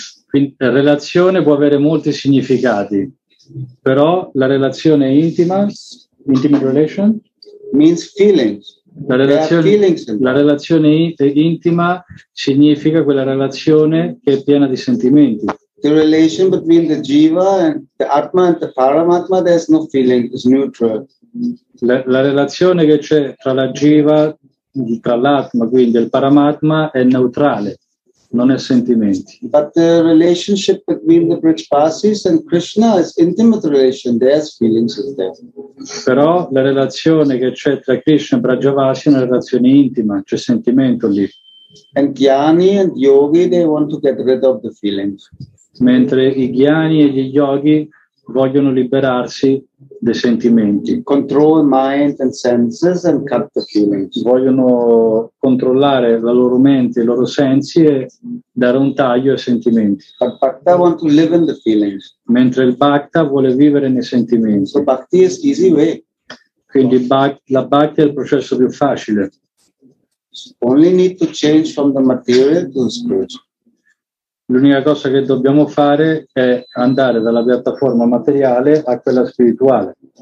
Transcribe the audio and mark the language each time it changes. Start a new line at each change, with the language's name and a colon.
Italian: Quindi relazione può avere molti significati, però la relazione intima,
English: intimate relation, means feelings.
Italian: La relazione intima significa quella relazione che è piena di sentimenti.
English: The relation between the jiva and the atma and the paramatma, there's no feeling, it's neutral.
Italian: La relazione che c'è tra la jiva, tra l'atma, quindi il paramatma, è neutrale, non è sentimenti.
English: But the relationship between the Brijbasis and Krishna is intimate relation, there's feelings in there.
Italian: Però la relazione che c'è tra Krishna e Brajavasi è una relazione intima, c'è sentimento lì.
English: And jnani and yogi, they want to get rid of the feelings.
Italian: Mentre i jnani e gli yogi vogliono liberarsi dei sentimenti.
English: Control mind and senses and cut the feelings.
Italian: Vogliono controllare la loro mente, i loro sensi e dare un taglio ai sentimenti.
English: But Bhakta want to live in the feelings.
Italian: Mentre il Bhakta vuole vivere nei sentimenti.
English: So Bhakti is easy way.
Italian: Quindi la Bhakti è il processo più facile.
English: Only need to change from the material to the spiritual.
Italian: L'unica cosa che dobbiamo fare è andare dalla piattaforma materiale a quella spirituale.